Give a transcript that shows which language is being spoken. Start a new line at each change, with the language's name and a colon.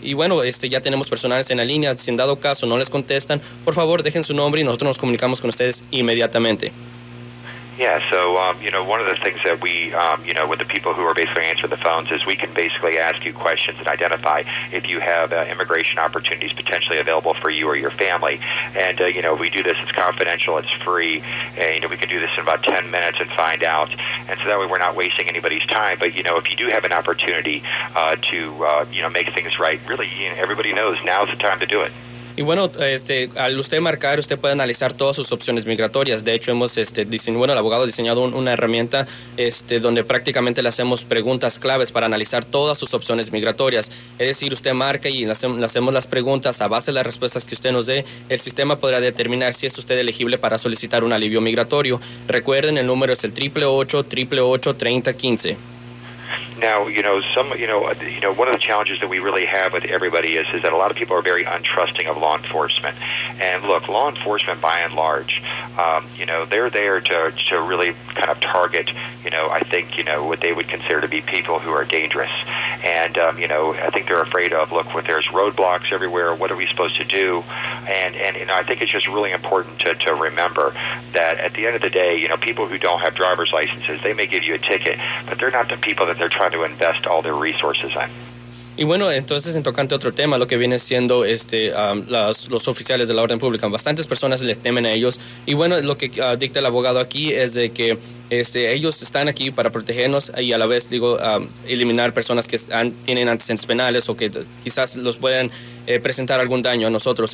Spanish: Y bueno, ya tenemos personales en la línea. Si en dado caso no les contestan, por favor dejen su nombre y nosotros nos comunicamos con ustedes inmediatamente.
English: Yeah, so, one of the things that we, with the people who are basically answering the phones is we can basically ask you questions and identify if you have immigration opportunities potentially available for you or your family. And, we do this, it's confidential, it's free, and, we can do this in about 10 minutes and find out. And so that way we're not wasting anybody's time. But, if you do have an opportunity to make things right, really, everybody knows now's the time to do it.
Spanish: Y bueno, al usted marcar, usted puede analizar todas sus opciones migratorias. De hecho, hemos el abogado ha diseñado una herramienta donde prácticamente le hacemos preguntas claves para analizar todas sus opciones migratorias. Es decir, usted marca y le hacemos las preguntas a base de las respuestas que usted nos dé. El sistema podrá determinar si es usted elegible para solicitar un alivio migratorio. Recuerden, el número es el 888-888-3015.
English: Now, one of the challenges that we really have with everybody is that a lot of people are very untrusting of law enforcement. And look, law enforcement, by and large, they're there to really kind of target, what they would consider to be people who are dangerous. And, I think they're afraid of, look, when there's roadblocks everywhere, what are we supposed to do? And I think it's just really important to remember that at the end of the day, people who don't have driver's licenses, they may give you a ticket, but they're not the people that they're trying to invest all their resources in.
Spanish: Y bueno, entonces, en tocante a otro tema, lo que viene siendo los oficiales de la orden pública, bastantes personas les temen a ellos. Y bueno, lo que dicta el abogado aquí es de que ellos están aquí para protegernos y a la vez, eliminar personas que tienen antecedentes penales o que quizás los puedan presentar algún daño a nosotros.